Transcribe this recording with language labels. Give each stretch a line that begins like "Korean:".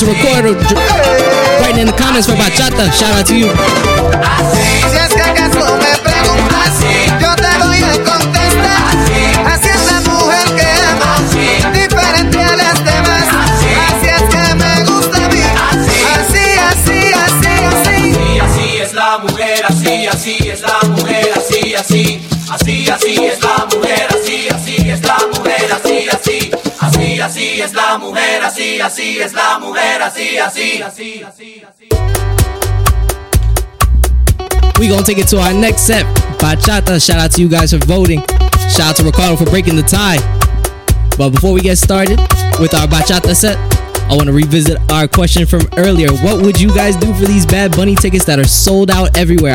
English: Writing in the comments for bachata, shout out to you.
Spanish: Así es la mujer, así, así, así, así, así, así.
English: We gonna take it to our next set. Bachata, shout out to you guys for voting. Shout out to Ricardo for breaking the tie. But before we get started with our bachata set, I want to revisit our question from earlier. What would you guys do for these Bad Bunny tickets that are sold out everywhere?